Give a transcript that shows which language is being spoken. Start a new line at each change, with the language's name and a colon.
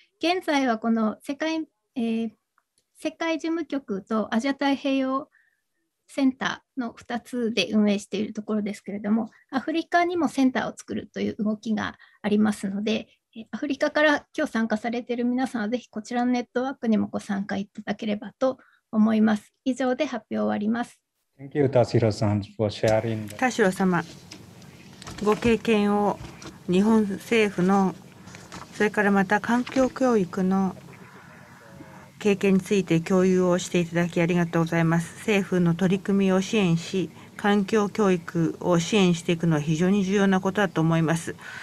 Japanese: 現在はこの世界事務局とアジア太平洋センターの2つで運営しているところですけれども、アフリカにもセンターを作るという動きがありますので、アフリカから今日参加されている皆さんはぜひこちらのネットワークにもご参加いただければと思います。以上で発表を終わります。
English: Thank you, Tashiro san, for sharing.
Japanese: 田代様、ご経験を日本政府の、それからまた環境教育の経験について共有をしていただきありがとうございます。政府の取り組みを支援し、環境教育を支援していくのは非常に重要なことだと思います。